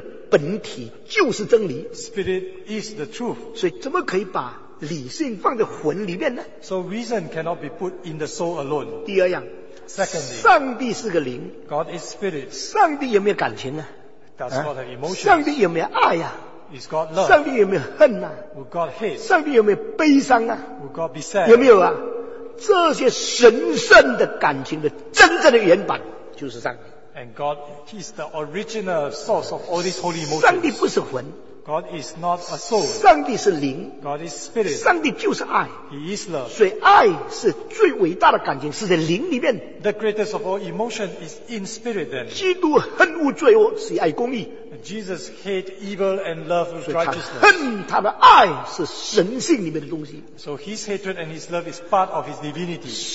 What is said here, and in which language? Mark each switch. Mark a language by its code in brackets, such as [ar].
[zh] 灵的原先圣灵的本体就是真理。 [en] Spirit is the truth. [zh] 所以怎么可以把理性放在魂里面呢? [en] So reason cannot be put in the soul alone. [zh] 第二样, [en] secondly, [zh] 上帝是个灵, [en] God is spirit. [zh] 上帝有没有感情啊? [en] Does God have emotions? [zh] 上帝有没有爱啊? [en] Is God love? [zh] 上帝有没有恨啊? [en] Will God hate? [zh] 上帝有没有悲伤啊? [en] Will God be sad? [zh] 有没有啊? 这些神圣的感情的真正的原版就是上帝。 [en] And God is the original source of all these holy emotions. [zh] 上帝不是魂, [en] God is not a soul. [zh] 上帝是灵, [en] God is spirit. [zh] 上帝就是爱, [en] He is love. [zh] 所以爱是最伟大的感情是在灵里面。 [en] The greatest of all emotion is in spirit then. [zh] 基督恨恶罪恶, 喜爱公义。 [en] Jesus hate evil and love righteousness. [zh] 所以他恨他的爱是神性里面的东西。 [en] So his hatred and his love is part of his divinity.